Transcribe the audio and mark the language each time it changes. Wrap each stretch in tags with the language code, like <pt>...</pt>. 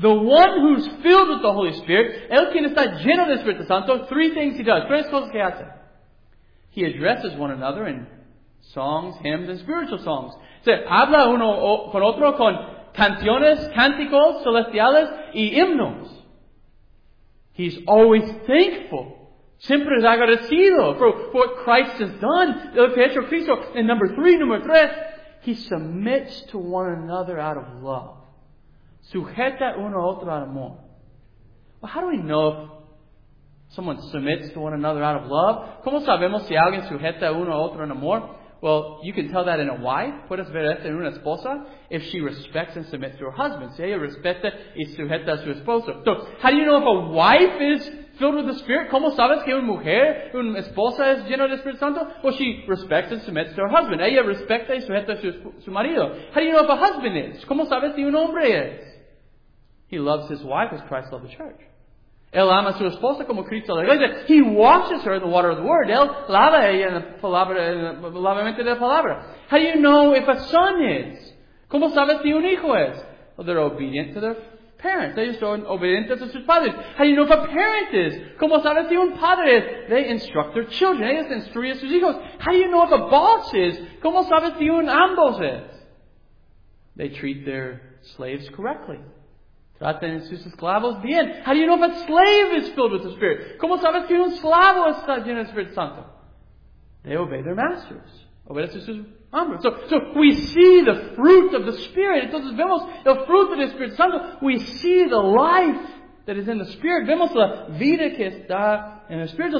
<en>The one who's filled with the Holy Spirit.</en> <es>El quien está lleno del Espíritu Santo.</es> <en>Three things he does.</en> <es>Tres cosas que hace.</es> <en>He addresses one another in songs, hymns, and spiritual songs.</en> <es>Se habla uno con otro con canciones, cánticos, celestiales, y himnos.</es> <en>He's always thankful.</en> <es>Siempre es agradecido</es> <en>for what Christ has done.</en> <es>El que ha hecho Cristo.</es> <en>And number three, he submits to one another out of love.</en> <es>Sujeta uno a otro al amor.</es> <en>Well, how do we know if someone submits to one another out of love?</en> <es>¿Cómo sabemos si alguien sujeta uno a otro en amor?</es> <en>Well, you can tell that in a wife.</en> <es>Puedes ver esto en una esposa.</es> <en>If she respects and submits to her husband.</en> <es>Si ella respeta y sujeta a su esposo.</es> <en>So, how do you know if a wife is filled with the Spirit?</en> <es>¿Cómo sabes que una mujer, una esposa es llena del Espíritu Santo?</es> <en>Well, she respects and submits to her husband.</en> <es>Ella respeta y sujeta a su marido.</es> <en>How do you know if a husband is?</en> <es>¿Cómo sabes si un hombre es?</es> <en>He loves his wife as Christ loved the church.</en> <es>Él ama a su esposa como Cristo la iglesia.</es> <en>He washes her in the water of the word.</en> <es>Él lava a ella en el lavamiento de la palabra.</es> <en>How do you know if a son is?</en> <es>¿Cómo sabes si un hijo es?</es> <en>Well, they're obedient to their parents.</en> <es>Ellos son obedientes a sus padres.</es> <en>How do you know if a parent is?</en> <es>¿Cómo sabes si un padre es?</es> <en>They instruct their children.</en> <es>Ellos instruyen a sus hijos.</es> <en>How do you know if a boss is?</en> <es>¿Cómo sabes si un ambos es?</es> <en>They treat their slaves correctly.</en> <es>Tratan a sus esclavos bien.</es> <en>How do you know if a slave is filled with the Spirit?</en> <es>¿Cómo sabes si un esclavo está lleno del Espíritu Santo?</es> <en>They obey their masters.</en> <es>Obedecen a sus hombres.</es> <en>So we see the fruit of the Spirit.</en> <es>Entonces vemos el fruto del Espíritu Santo.</es> <en>We see the life that is in the Spirit.</en> <es>Vemos la vida que está en el Espíritu.</es>